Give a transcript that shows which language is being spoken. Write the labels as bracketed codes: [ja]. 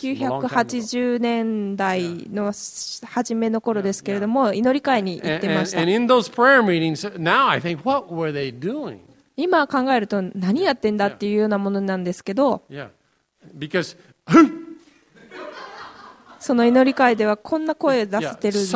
[ja] 1980年代の初めの頃ですけれども、祈り会に行ってました。 [en] And in those prayer meetings, now I think, what were they doing? [ja] 今考えると何やってんだっていうようなものなんですけど。 [en] Yeah, because [ja] その祈り会ではこんな声を出せてるんです。